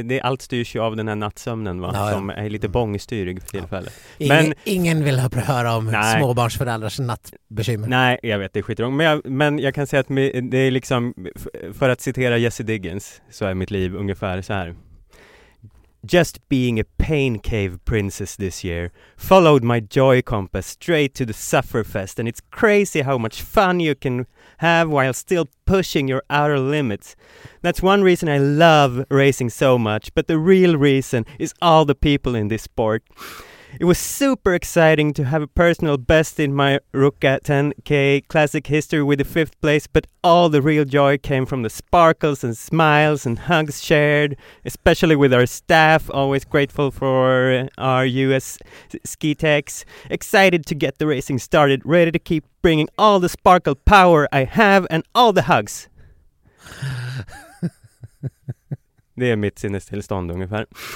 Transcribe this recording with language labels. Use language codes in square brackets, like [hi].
[sv] Allt styrs ju av den här nattsömnen, va? Ja. Som är lite bångstyrig för tillfället. Ja. Ingen vill höra om småbarnsföräldrars nattbekymmer. Nej, jag vet, det är skitrång. Men jag kan säga att det är liksom, för att citera Jesse Diggins, så är mitt liv ungefär så här. [en] Just being a pain cave princess this year followed my joy compass straight to the suffer fest, and it's crazy how much fun you can have while still pushing your outer limits. That's one reason I love racing so much, but the real reason is all the people in this sport. It was super exciting to have a personal best in my Ruka 10K classic history with the fifth place, but all the real joy came from the sparkles and smiles and hugs shared, especially with our staff, always grateful for our US ski techs. Excited to get the racing started, ready to keep bringing all the sparkle power I have and all the hugs. [sv] Det är mitt sinnestillstånd ungefär.